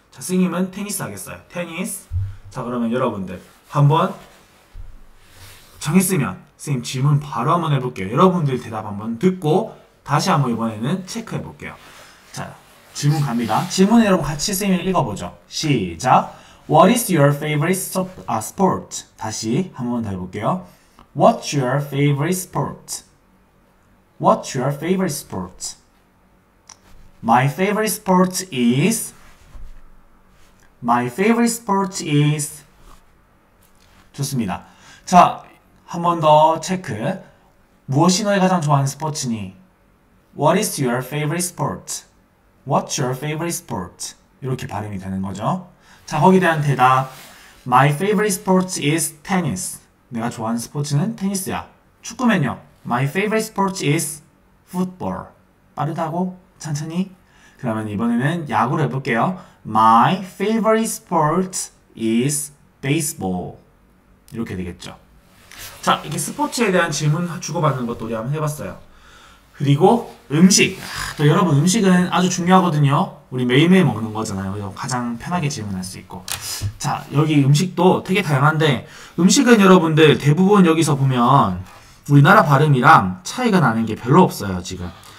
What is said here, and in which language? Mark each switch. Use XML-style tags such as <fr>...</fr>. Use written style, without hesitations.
<ko>자, 선생님은 테니스 하겠어요. 테니스. 자, 그러면 여러분들 한번 정했으면 선생님 질문 바로 한번 해볼게요. 여러분들 대답 한번 듣고 다시 한번 이번에는 체크해 볼게요. 자, 질문 갑니다. 질문 여러분 같이 선생님 읽어보죠. 시작.</ko> <en>What is your favorite sport?</en> <ko>다시 한번 더 해볼게요.</ko> <en>What's your favorite sport? What's your favorite sport? My favorite sport is. My favorite sport is.</en> <ko>좋습니다. 자, 한번더 체크. 무엇이 너의 가장 좋아하는 스포츠니?</ko> <en>What is your favorite sport? What's your favorite sport?</en> <ko>이렇게 발음이 되는 거죠. 자, 거기에 대한 대답.</ko> <en>My favorite sport is tennis.</en> <ko>내가 좋아하는 스포츠는 테니스야. 축구면요.</ko> <en>My favorite sport is football.</en> <ko>빠르다고? 천천히. 그러면 이번에는 야구를 해볼게요.</ko> <en>My favorite sport is baseball.</en> <ko>이렇게 되겠죠. 자, 이게 스포츠에 대한 질문 주고받는 것도 우리 한번 해봤어요. 그리고 음식. 또 여러분 음식은 아주 중요하거든요. 우리 매일매일 먹는 거잖아요. 가장 편하게 질문할 수 있고. 자, 여기 음식도 되게 다양한데 음식은 여러분들 대부분 여기서 보면 우리나라 발음이랑 차이가 나는 게 별로 없어요, 지금.</ko>